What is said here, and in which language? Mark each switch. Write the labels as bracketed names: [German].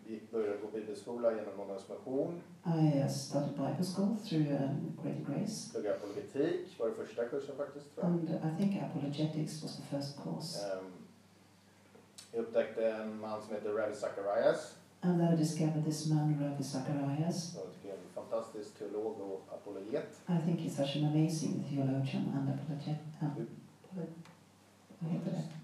[Swedish] började gå bibelskola genom någon information. [English] I started Bible school through Great Grace. [Swedish] Pluggade apologetik, var det första kursen faktiskt. Tror jag. [English] And I think apologetics was the first course. [Swedish] Jag upptäckte en man som heter Ravi Zacharias. [English] And then I discovered this man, Ravi Zacharias. [Swedish] En fantastisk teolog och apologet. [English] I think he's such an amazing theologian and apologet.